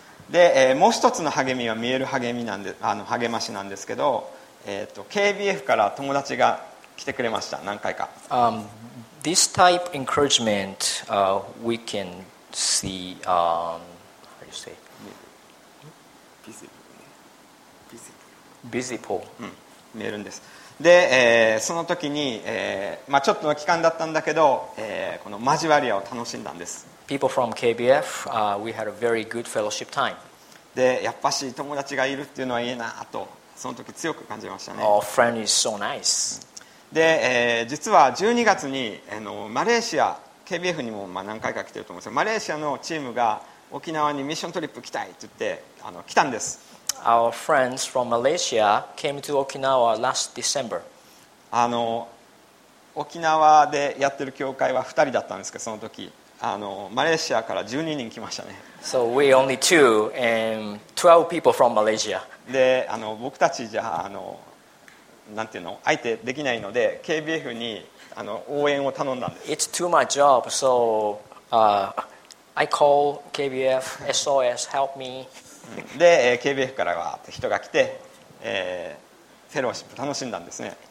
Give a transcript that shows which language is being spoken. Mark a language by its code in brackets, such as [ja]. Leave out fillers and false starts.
[ja] で、もう一つの励みは見える励みなんで励ましなんですけど、KBF から友達が来てくれました、何回か。 [en] This type encouragement, we can see, how do you say? Visible. Visible. [ja] うん、見えるんです。で、その時に、まあ、ちょっとの期間だったんだけど、この交わり屋を楽しんだんです。 [en] People from KBF, we had a very good fellowship time. [ja] で、やっぱし友達がいるっていうのはいいなと、その時強く感じましたね。 [en] Our friend is so nice. [ja] で、実は12月に、マレーシア、KBF にもまあ何回か来てると思うんですけど、マレーシアのチームが沖縄にミッショントリップ来たいって言って、来たんです。 [en] Our friends from Malaysia came to Okinawa last December. [ja] 沖縄でやってる教会は2人だったんですけど、その時マレーシアから12人来ましたね。 [en] So we only two and 12 people from Malaysia. [ja] で、僕たちじゃなんていうの、相手できないので、KBF に応援を頼んだんです。 [en] It's too much job, so I call KBF SOS help me. [ja] で、KBF からは人が来て、フェローシップ楽しんだんですね。